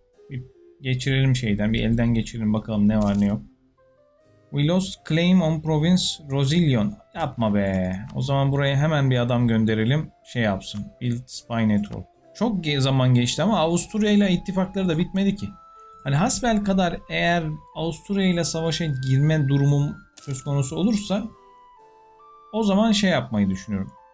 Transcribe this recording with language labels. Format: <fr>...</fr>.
<tr>Bir geçirelim şeyden. Bir elden geçirelim. Bakalım ne var ne yok.</tr> <en>We lost claim on province Rosilion.</en> <tr>Yapma be. O zaman buraya hemen bir adam gönderelim. Şey yapsın. Build spy network. Çok zaman geçti ama Avusturya ile ittifakları da bitmedi ki. Hani hasbel kadar eğer Avusturya ile savaşa girme durumum söz konusu olursa o zaman şey yapmayı düşünüyorum.</tr>